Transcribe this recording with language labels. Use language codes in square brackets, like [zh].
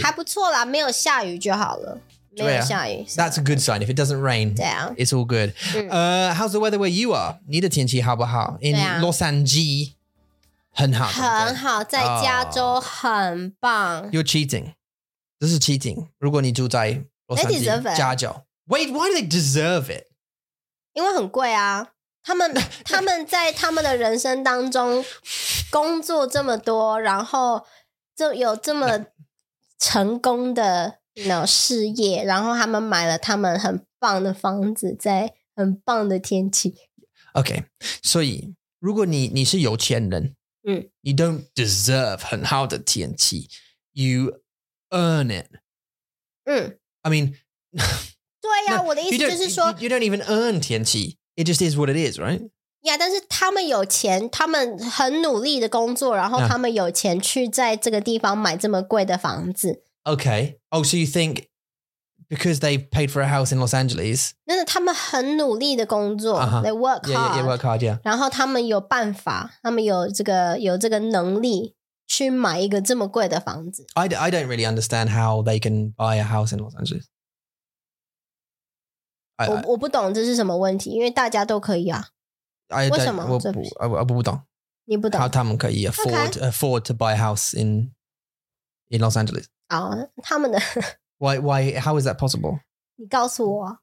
[zh] 还不错啦，没有下雨就好了，没有下雨。 [en] That's a good sign. If it doesn't rain, it's all good. How's the weather where you are? [zh] 你的天气好不好？ [en] In Los Angeles, [zh] 很好，很好，在加州很棒。 [en] You're cheating. [zh] 这是 [en] cheating. [zh] 如果你住在洛杉矶，加州。 [en] Wait, why do they deserve it? [zh] 因为很贵啊，他们在他们的人生当中工作这么多，然后就有这么成功的事业，然后他们买了他们很棒的房子，在很棒的天气。 [en] Okay, [zh] 所以如果你是有钱人， [en] you don't deserve [zh] 很好的天气， [en] you earn it. I mean. [zh] 对呀、啊，我的意思就是说 [en] you don't even earn 天气 it just is what it is, right? [zh] Yeah, 但是他们有钱，他们很努力的工作，然后他们有钱去在这个地方买这么贵的房子。 [en] Okay. Oh, so you think because they paid for a house in Los Angeles? [zh] 那是他们很努力的工作、uh-huh. [en] They work hard. Yeah, yeah, work hard, yeah. [zh] 然后他们有办法，他们有这个能力去买一个这么贵的房子。 [en] I don't really understand how they can buy a house in Los Angeles. [zh] 我不懂这是什么问题，因为大家都可以啊。为什么？我不懂。你不懂？他们可以 [en] afford to buy a house in Los Angeles. [zh] 啊、oh, ，他们的。 [en] Why? How is that possible? [zh] 你告诉我。